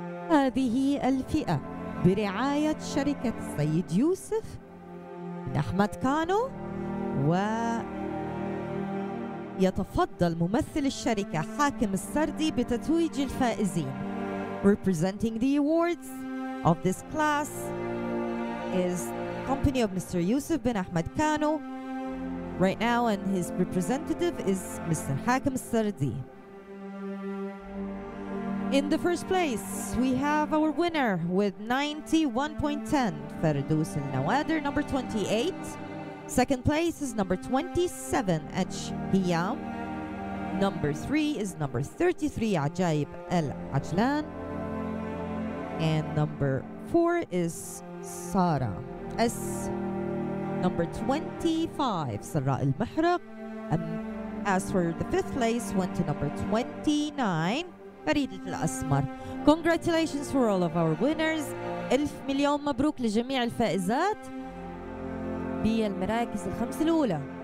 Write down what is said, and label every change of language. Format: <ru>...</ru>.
<ar>هذه الفئة برعاية شركة السيد يوسف بن أحمد كانو. ويتفضل ممثل الشركة حاكم السردي بتتويج الفائزين.</ar> <en>Representing the awards of this class is company of Mr. Yusuf bin Ahmed Kano right now, and his representative is Mr. Hakim Sardi. In the first place, we have our winner with 91.10, Ferdous Al Nawader, number 28. Second place is number 27, Ach Hiyam. Number 3 is number 33, Ajaib Al Ajlan. And number 4 is Sara S. Number 25, Sara Al Mahraq. And as for the fifth place, went to number 29. فريد الأسمر. Congratulations for all of our winners.</en> <ar>ألف مليون مبروك لجميع الفائزات بالمراكز الخمس الأولى.</ar>